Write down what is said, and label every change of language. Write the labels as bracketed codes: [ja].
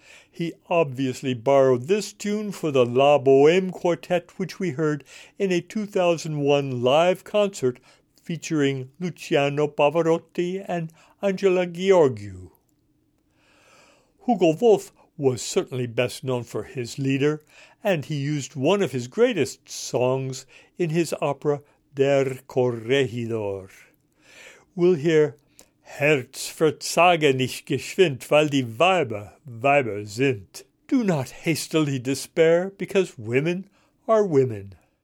[en] He obviously borrowed this tune for the La Bohème Quartet, which we heard in a 2001 live concert featuring Luciano Pavarotti and Angela Gheorghiu. Hugo Wolf was certainly best known for his Lieder, and he used one of his greatest songs in his opera Der Corregidor. We'll hear [de] Herz verzage nicht geschwind, weil die Weiber Weiber sind. [en] Do not hastily despair, because women are women.